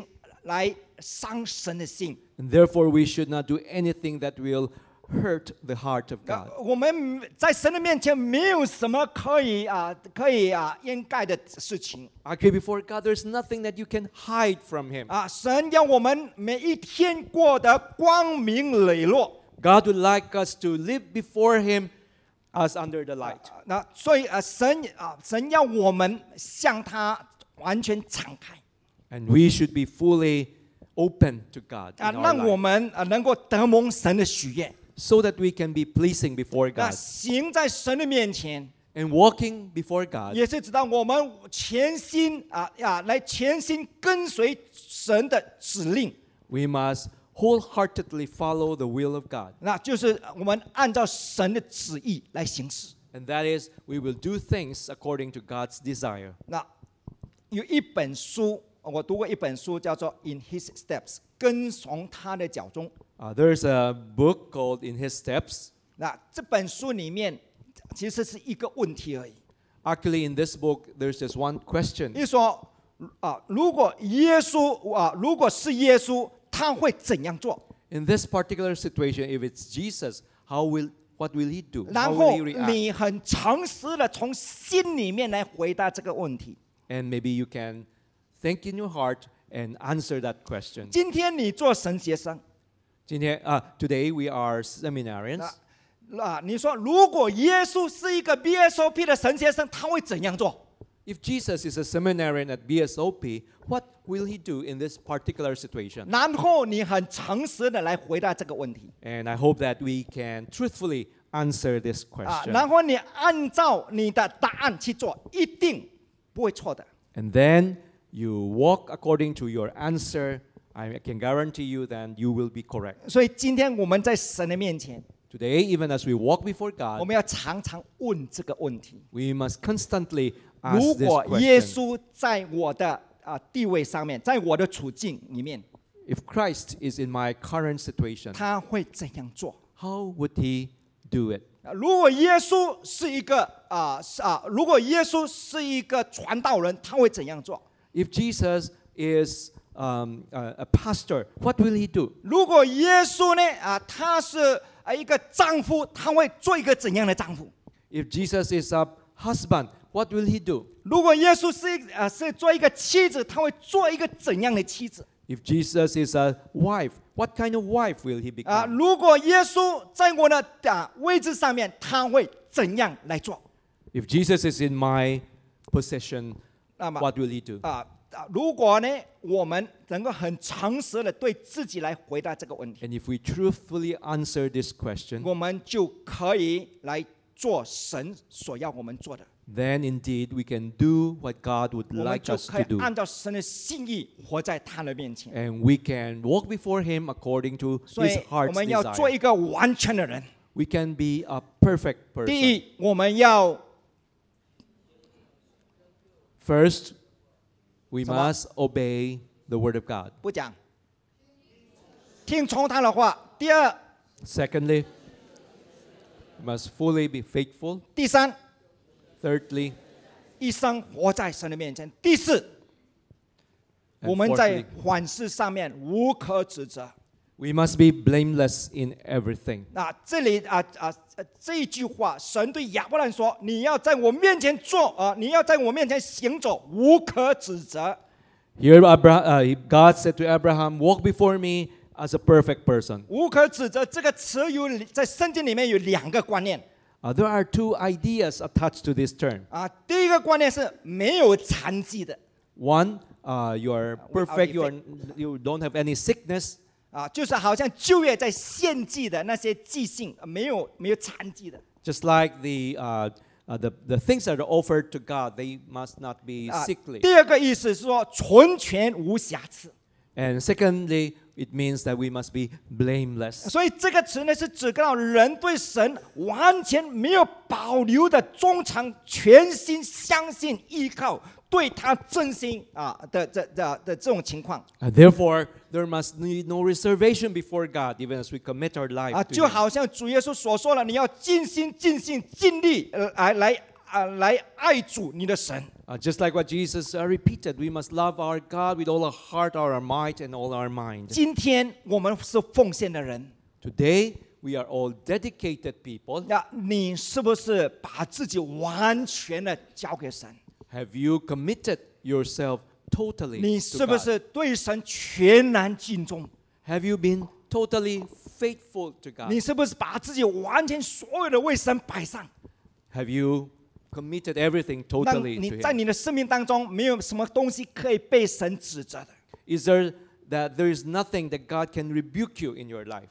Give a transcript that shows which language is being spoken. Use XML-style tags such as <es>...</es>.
<zh>所以我们今天在生活上面不要做任何事情来伤神的心。</zh> <en>And therefore, we should not do anything that will hurt the heart of God.</en> <zh>我们在神的面前没有什么可以, 可以, 掩盖的事情。</zh> <en>Okay, before God, there's nothing that you can hide from Him.</en> <zh>神要我们每一天过得光明磊落。</zh> <en>God would like us to live before Him as under the light.</en> <zh>所以, 神, 神要我们向他完全敞开。</zh> <en>And we should be fully open to God in our life.</en> <zh>让我们, 能够得蒙神的喜悦。</zh> <en>So that we can be pleasing before God.</en> <zh>行在神的面前,</zh> <en>and walking before God.</en> <zh>也是知道我们全心, 来全心跟随神的指令。</zh> <en>We must wholeheartedly follow the will of God.</en> <zh>那就是我们按照神的旨意来行事。</zh> <en>And that is, we will do things according to God's desire.</en> <zh>那有一本书, 我读过一本书, 叫做In His Steps, 跟从他的脚中。</zh> <en>There's a book called In His Steps.</en> <zh>那这本书里面其实是一个问题而已。</zh> <en>Actually, in this book, there's just one question.</en> <zh>就说, 如果耶稣, 如果是耶稣, 他会怎样做?</zh> <en>In this particular situation, if it's Jesus, what will he do?</en> <zh>然后你很诚实地从心里面来回答这个问题。</zh> <en>And maybe you can think in your heart and answer that question.</en> <zh>今天你做神学生,</zh> <en>Today we are seminarians.</en> <zh>你说如果耶稣是一个 BSOP 的神学生，他会怎样做？</zh> <en>If Jesus is a seminarian at BSOP, what will he do in this particular situation?</en> <zh>然后你很诚实的来回答这个问题。</zh> <en>And I hope that we can truthfully answer this question.</en> <zh>然后你按照你的答案去做，一定不会错的。</zh> <en>And then you walk according to your answer, I can guarantee you that you will be correct.</en> <zh>所以今天我们在神的面前。</zh> <en>Today, even as we walk before God,</en> <zh>我们要常常问这个问题。</zh> <en>We must constantly ask this question.</en> <zh>如果耶稣在我的地位上面，在我的处境里面，</zh> <en>If Christ is in my current situation,</en> <zh>他会怎样做？</zh> <en>How would he do it?</en> <zh>如果耶稣是一个如果耶稣是一个传道人，他会怎样做？</zh> <en>If Jesus is a pastor, what will he do?</en> <zh>如果耶稣呢他是一个丈夫，他会做一个怎样的丈夫？</zh> <en>If Jesus is a husband, what will he do?</en> <zh>如果耶稣是做一个妻子，他会做一个怎样的妻子？</zh> <en>If Jesus is a wife, what kind of wife will he become?</en> <zh>如果耶稣在我的位置上面，他会怎样来做？</zh> <en>If Jesus is in my position, what will he do?</en> <zh>如果呢，我们能够很诚实的对自己来回答这个问题，</zh> <en>And if we truthfully answer this question,</en> <zh>我们就可以来做神所要我们做的。</zh> <en>Then indeed we can do what God would like us to do.</en> <zh>按照神的心意活在他的面前。</zh> <en>And we can walk before him according to his heart's desire.</en> <zh>所以我们要做一个完全的人。</zh> <en>We can be a perfect person.</en> <zh>第一，我们要</zh> <en>first. We must obey the word of God.</en> <zh>不讲，听从他的话。第二</zh> <en>，Secondly, must fully be faithful.</en> <zh>第三</zh> <en>，Thirdly,</en> <zh>一生活在神的面前。第四，我们在凡事上面无可指责。</zh> <en>We must be blameless in everything.</en> <zh>那这里这一句话，神对亚伯兰说：“你要在我面前做你要在我面前行走，无可指责。”</zh> <en>Here, God said to Abraham, "Walk before me as a perfect person."</en> <zh>无可指责这个词有在圣经里面有两个观念。</zh> <en>There are two ideas attached to this term.</en> <zh>第一个观念是没有残疾的。</zh> <en>One, you are perfect. You don't have any sickness.</en> <zh>就是好像旧约在献祭的那些祭性，没有残疾的。</zh> <en>Just like the things that are offered to God, they must not be sickly.</en> <zh>第二个意思是说纯全无瑕疵。</zh> <en>And secondly, it means that we must be blameless.</en> <zh>所以这个词呢是指到人对神完全没有保留的忠诚，全心相信依靠。对他真心的这种情况。</zh> <en>Therefore, there must be no reservation before God, even as we commit our life.</en> <zh>就好像主耶稣所说了，你要尽心、尽心、尽力来爱主你的神。</zh> <en>Just like what Jesus repeated, we must love our God with all our heart, all our might, and all our mind.</en> <zh>今天我们是奉献的人。</zh> <en>Today, we are all dedicated people.</en> <zh>那你是不是把自己完全的交给神？</zh> <en>Have you committed yourself totally to God?</en> <zh>你是不是对神全然尽忠？</zh> <en>Have you been totally faithful to God?</en> <zh>你是不是把自己完全所有的为神摆上？</zh> <en>Have you committed everything totally to Him?</en> <zh>你在你的生命当中没有什么东西可以被神指责的。</zh> <en>Is there that there is nothing that God can rebuke you in your life?</en>